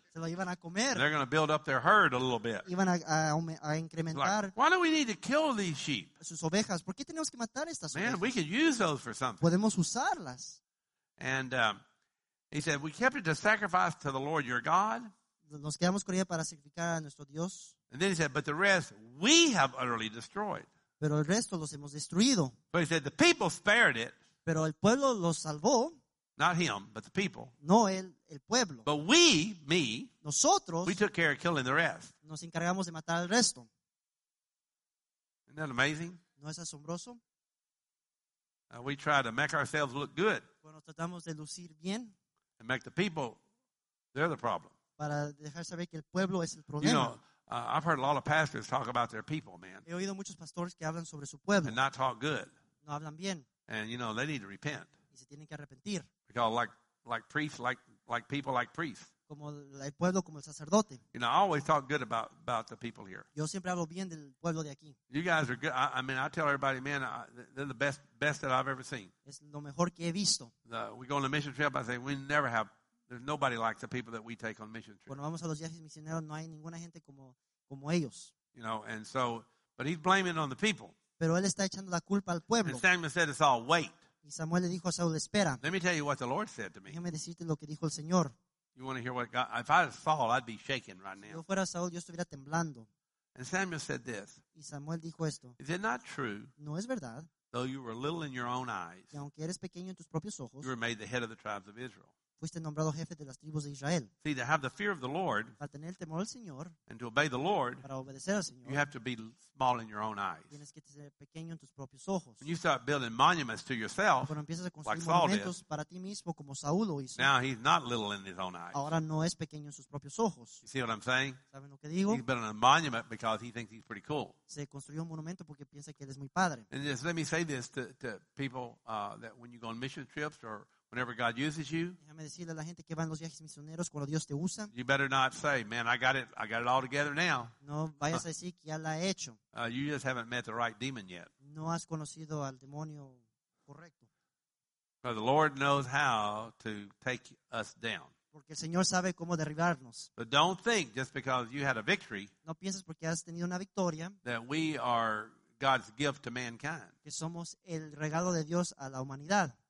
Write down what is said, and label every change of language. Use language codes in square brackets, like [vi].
[es] Se lo iban a comer. [en] They're going to build up their herd a little bit. [es] Iban a incrementar. [en] Like, why do we need to kill these sheep? [es] Sus ovejas. ¿Por qué tenemos que matar estas ovejas? [en] Man, we could use those for something. [es] Podemos usarlas. [en] And he said, "We kept it to sacrifice to the Lord your God." [es] Nos quedamos con ella para sacrificar a nuestro Dios. [en] And then he said, "But the rest we have utterly destroyed." [es] Pero el resto los hemos destruido. [en] But he said, "The people spared it." [es] Pero el pueblo los salvó. [en] Not him, but the people. [es] No él, el pueblo. [en] But we, me, [es] nosotros, [en] we took care of killing the rest. [es] Nos encargamos de matar al resto. [en] Isn't that amazing? [es] ¿No es asombroso? [en] We try to make ourselves look good. [es] Bueno, tratamos de lucir bien. [en] And make the people, they're the problem. [es] Para dejar saber que el pueblo es el problema. [en] You know, I've heard a lot of pastors talk about their people, man. [es] He oído muchos pastores que hablan sobre su pueblo. [en] And not talk good. [es] No hablan bien. [en] And you know, they need to repent. [es] Y se tienen que arrepentir. [en] Because like priests, like people like priests. [es] como el pueblo, como el sacerdote. [en] You know, I always talk good about the people here. [es] Yo siempre hablo bien del pueblo de aquí. [en] You guys are good. I mean, I tell everybody, man, they're the best that I've ever seen. [es] Es lo mejor que he visto. [en] We go on a mission trip, I say, we never have, there's nobody like the people that we take on mission trip. [es] Cuando vamos a los viajes misioneros, no hay ninguna gente como ellos. [en] You know, and so, but he's blaming on the people. [es] Pero él está echando la culpa al pueblo. [en] And Samuel said, it's all wait. [es] Y Samuel le dijo a Saul, espera. [en] Let me tell you what the Lord said to me. [es] Déjame decirte lo que dijo el Señor. [en] You want to hear what God, if I was Saul, I'd be shaking right now. [es] Si yo fuera Saul, yo estuviera temblando. [en] And Samuel said this. [es] Y Samuel dijo esto. [en] Is it not true? [es] No es verdad. [en] Though you were little in your own eyes. [es] Y aunque eres pequeño en tus propios ojos. [en] You were made the head of the tribes of Israel. [es] Fuiste nombrado jefe de las tribus de Israel. [en] See, to have the fear of the Lord. [es] Para tener el temor al Señor. [en] And to obey the Lord. [es] Para obedecer al Señor. [en] You have to be small in your own eyes. [es] Tienes que ser pequeño en tus propios ojos. [en] When you start building monuments to yourself. [es] Cuando empiezas a construir monumentos para ti mismo como Saúl lo hizo. [en] Now he's not little in his own eyes. [es] Ahora no es pequeño en sus propios ojos. [en] You see what I'm saying? [es] ¿Saben lo que digo? [en] He's building a monument because he thinks he's pretty cool. [es] Se construyó un monumento porque piensa que él es muy padre. [en] And just let me say this to people that when you go on mission trips or whenever God uses you, [es] déjame decirle a la gente que van los viajes misioneros cuando Dios te usa. [en] You better not say, man, I got it all together now. [es] No vayas a decir que ya la he hecho. [en] You just haven't met the right demon yet. [es] No has conocido al demonio correcto. [en] But the Lord knows how to take us down. [es] Porque el Señor sabe cómo derribarnos. [en] But don't think just because you had a victory, [es] no pienses porque has tenido una victoria, [en] that we are God's gift to mankind. [es] Que somos el regalo de Dios a la humanidad.